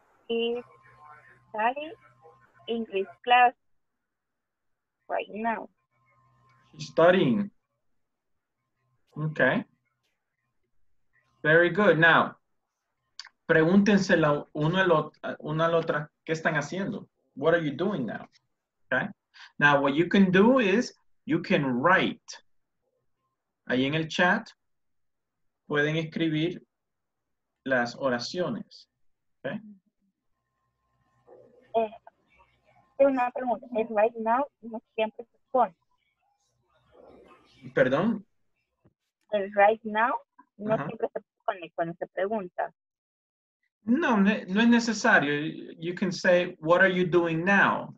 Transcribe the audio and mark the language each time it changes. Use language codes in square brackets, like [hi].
[en] She's studying English class right now. She's studying. Okay. Very good. [es] Now, pregúntense uno al otro, ¿qué están haciendo? [en] What are you doing now? Okay. Now, what you can do is you can write. [es] Ahí en el chat pueden escribir las oraciones. Okay. Es una pregunta. Es [en] right now, [es] no siempre se pone. ¿Perdón? El [en] right now [es] no siempre se pone cuando se pregunta. No, no es necesario. [en] You can say, what are you doing now?